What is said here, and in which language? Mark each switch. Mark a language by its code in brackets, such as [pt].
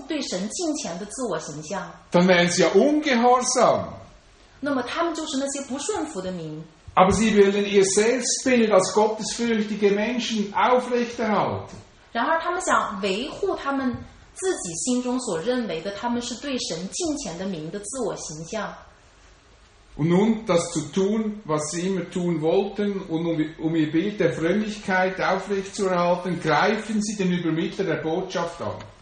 [zh] 因为这样会毁坏他们心中那个对神敬虔的自我形象。 [de] Dann wären sie ja ungehorsam. [zh] 那么他们就是那些不顺服的民。 [de] Aber sie würden ihr Selbstbild als gottesfürchtige Menschen aufrechterhalten. [zh] 然而他们想维护他们 自己心中所认为的他们是对神敬虔的民的自我形象。 [de] Und nun das zu tun, was sie immer tun wollten, und um ihr Bild der Frömmigkeit aufrechtzuerhalten, greifen sie den Übermittler der Botschaft an.